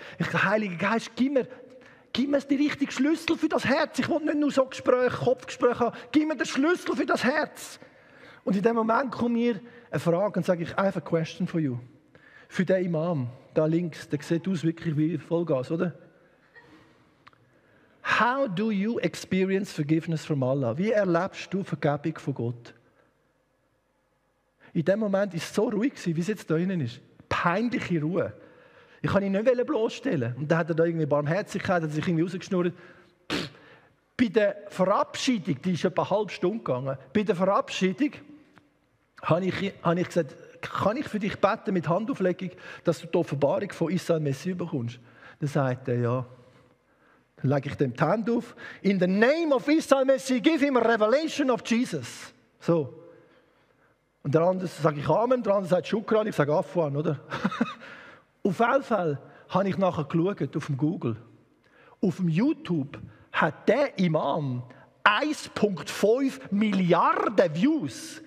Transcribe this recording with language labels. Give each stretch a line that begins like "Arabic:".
German: Ich sage, Heiliger Geist, gib mir den richtigen Schlüssel für das Herz. Ich will nicht nur so Gespräche, Kopfgespräche haben. Gib mir den Schlüssel für das Herz. Und in dem Moment kommt mir eine Frage und sage ich, einfach eine
English: Question for you.
German: Für den Imam, da links, der sieht aus wirklich wie Vollgas, oder?
English: How do you experience forgiveness from Allah?
German: Wie erlebst du Vergebung von Gott? In dem Moment ist es so ruhig gewesen, wie es jetzt da drinnen ist. Peinliche Ruhe. Ich kann ihn nicht bloßstellen. Und dann hat er da irgendwie Barmherzigkeit, hat sich irgendwie rausgeschnurrt. Bei der Verabschiedung, die ist etwa eine halbe Stunde gegangen, bei der Verabschiedung habe ich gesagt, kann ich für dich beten mit Handauflegung, dass du die Offenbarung von Isa und Messi bekommst? Dann sagt er, ja. Dann lege ich dem die Hand auf.
English: In the name of Isa und Messi, give him a revelation of Jesus. So.
German: Und der andere sage ich Amen, der andere sagt Shukran, ich sage Afwan, oder? Auf jeden Fall habe ich nachher geschaut, auf dem Google. Auf dem YouTube hat der Imam 1,5 Milliarden Views.